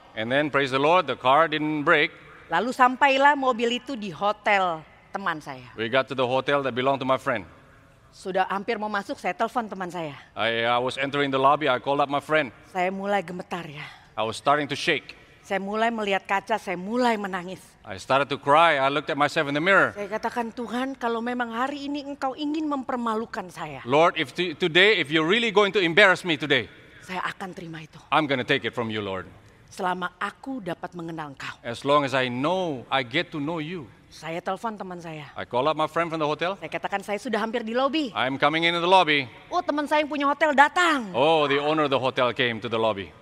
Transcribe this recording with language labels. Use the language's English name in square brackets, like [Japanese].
[English] And then, praise the Lord, the car didn't break. [Indonesian] Lalu sampailah mobil itu di hotel teman saya. [English] We got to the hotel that belonged to my friend. [Indonesian] Sudah hampir mau masuk, saya telepon teman saya. [English] I was entering the lobby, I called up my friend. [Indonesian] Saya mulai gemetar ya. [English] I was starting to shake. [Indonesian] Saya mulai melihat kaca, saya mulai menangis. [English] I started to cry, I looked at myself in the mirror. [Indonesian] Saya katakan, Tuhan, kalau memang hari ini Engkau ingin mempermalukan saya. [English] Lord, if you're really going to embarrass me today. [Indonesian] Saya akan terima itu. [English] I'm going to take it from you, Lord. [Indonesian] Selama aku dapat mengenal Engkau. [English] As long as I know, I get to know you. [Indonesian] Saya telepon teman saya. [English] I call up my friend from the hotel. [Indonesian] Saya katakan saya sudah hampir di lobby. [English] I'm coming in the lobby. [Indonesian] Oh, teman saya yang punya hotel datang. [English] Oh, the owner of the hotel came to the lobby.